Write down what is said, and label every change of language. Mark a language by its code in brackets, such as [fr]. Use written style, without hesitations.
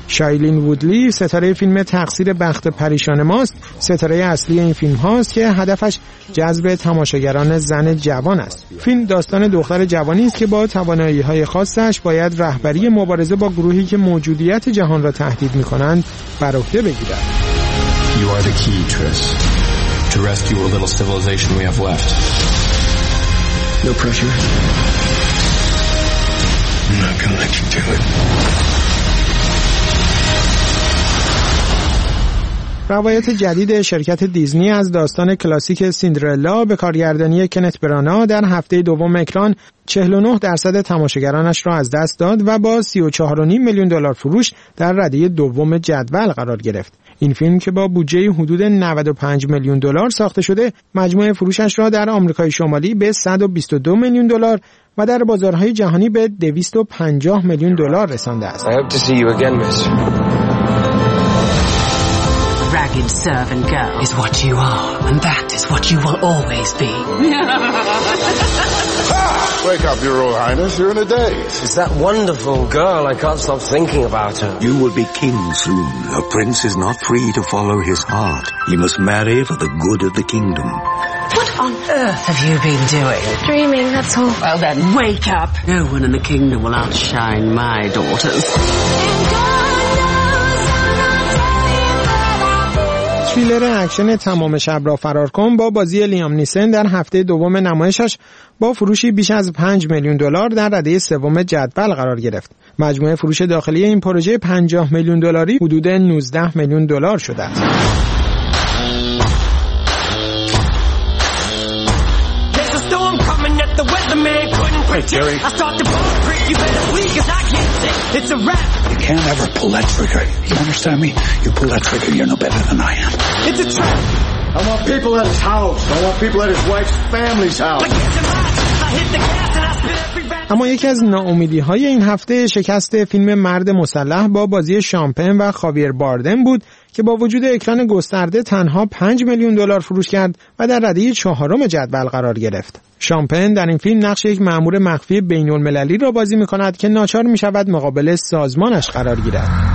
[fa] شایلین وودلی ستاره فیلم تقصیر بخت پریشان ماست، ستاره اصلی این فیلم هاست که هدفش جذب تماشاگران زن جوان است. فیلم داستان دختر جوانی است که با توانایی های خاصش باید رهبری مبارزه با گروهی که موجودیت جهان را تهدید می کنند بر عهده بگیرد. [en] You are the key, Triss, to rescue a little civilization we have left. No pressure. I'm not gonna let you do it. [fa] روایت جدید شرکت دیزنی از داستان کلاسیک سیندرلا به کارگردانی کنت برانا در هفته دوم اکران 49% تماشاگرانش را از دست داد و با 34.5 میلیون دلار فروش در رده دوم جدول قرار گرفت. این فیلم که با بودجه حدود 95 میلیون دلار ساخته شده، مجموع فروشش را در آمریکای شمالی به 122 میلیون دلار و در بازارهای جهانی به 250 میلیون دلار رسانده است. [en] I hope to see you again, miss. Ragged servant girl is what you are, and that is what you will always be. Wake up, your royal highness. You're in a daze. It's that wonderful girl. I can't stop thinking about her. You will be king soon. A prince is not free to follow his heart. He must marry for the good of the kingdom. What on earth have you been doing? Dreaming, that's all. Well then, wake up. No one in the kingdom will outshine my daughters. [fa] تریلر اکشن تمام شب را فرار کن با بازی لیام نیسن در هفته دوم نمایشش با فروشی بیش از 5 میلیون دلار در رده سوم جدول قرار گرفت. مجموع فروش داخلی این پروژه 50 میلیون دلاری حدود 19 میلیون دلار شده است. [en] It's a wrap. You can't ever pull that trigger. You understand me? You pull that trigger, you're no better than I am. It's a trap. I want people at his house. I want people at his wife's family's house. [fa] اما یکی از ناامیدی‌های این هفته شکست فیلم مرد مسلح با بازی شامپن و خاویر باردن بود که با وجود اکران گسترده تنها 5 میلیون دلار فروش کرد و در رده چهارم جدول قرار گرفت. شامپن در این فیلم نقش یک مأمور مخفی بین‌المللی را بازی می‌کند که ناچار می‌شود مقابل سازمانش قرار گیرد.